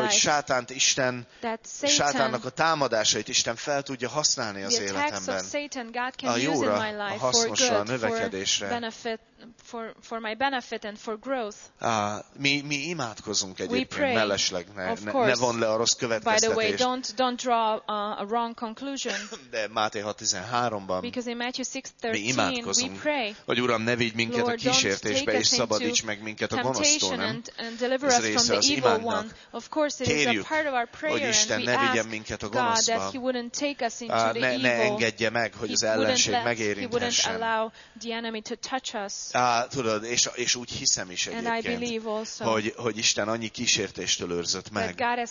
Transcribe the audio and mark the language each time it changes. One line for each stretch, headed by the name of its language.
Hungarian: Hogy Sátánt Isten, Sátánnak a támadásait Isten fel tudja használni az életemben. A jóra, a hasznosra, a növekedésre.
English: For my benefit and for growth.
Hungarian: Mi imádkozunk egyébként mellesleg, ne von le a rossz következtetést.
English: By the way, don't draw a wrong conclusion.
Hungarian: De Máté 6:13-ban.
English: Because in Matthew 6:13 we pray.
Hungarian: Mi imádkozunk, hogy Uram, ne vigy minket a kísértésbe, és szabadíts meg minket a gonosztól, nem?
English: And deliver us from the evil one. Of course, it is a part of our prayer.
Hungarian: Hogy Isten ne vigyen minket a gonoszba.
English: God, that He wouldn't take us into the evil.
Hungarian: Ne engedje meg, hogy az ellenség megérinthessen.
English: He wouldn't allow the enemy to touch us.
Hungarian: Tudod, és úgy hiszem is egyébként, hogy Isten annyi kísértéstől őrzött meg.